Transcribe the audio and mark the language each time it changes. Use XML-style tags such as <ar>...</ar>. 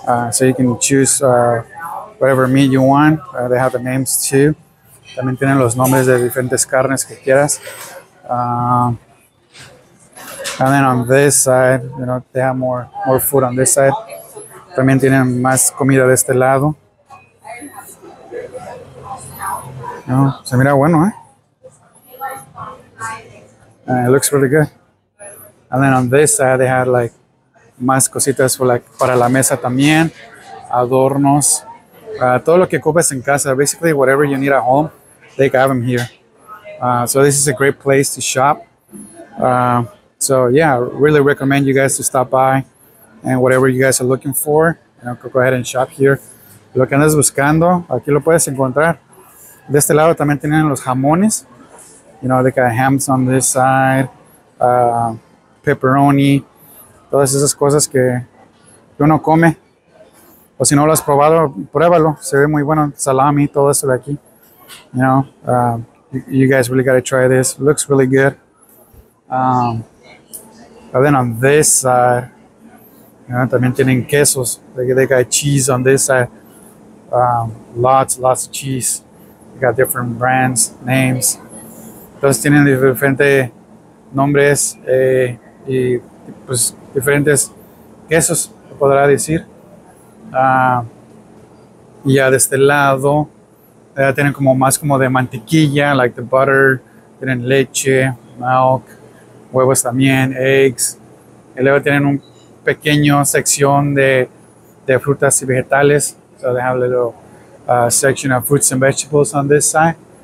<en>So you can choose whatever meat you want. They have the names too.</en> <es>También tienen los nombres de diferentes carnes que quieras.</es> <en>And then on this side, you know, they have more food on this side.</en> <es>También tienen más comida de este lado. No, se mira bueno, eh?</es> <en>It looks really good. And then on this side, they had like</en> <es>más cositas</es> <en>for like,</en> <es>para la mesa también, adornos, todo lo que ocupes en casa,</es> <en>basically whatever you need at home, they have them here. So this is a great place to shop. So yeah, I really recommend you guys to stop by and whatever you guys are looking for, you know, go ahead and shop here.</en> <es>Lo que andas buscando, aquí lo puedes encontrar. De este lado también tienen los jamones,</es> <en>you know, they got hams on this side,</en> <es>pepperoni, todas esas cosas que uno come. O si no lo has probado, pruébalo. Se ve muy bueno. Salami, todo eso de aquí.</es> <en>You know, you guys really got to try this. Looks really good. And then on this side, you know,</en> <es>también tienen quesos.</es> <en>They got cheese on this side. Lots of cheese. They got different brands, names.</en> <es>Entonces tienen diferentes nombres y pues diferentes quesos, se podrá decir. Y ya de este lado, tienen como más como de mantequilla,</es> <en>like the butter,</en> <es>tienen leche, milk, huevos también, eggs. Y luego tienen un pequeño sección de frutas y vegetales.</es> <en>So they have a little section of fruits and vegetables on this side.</en>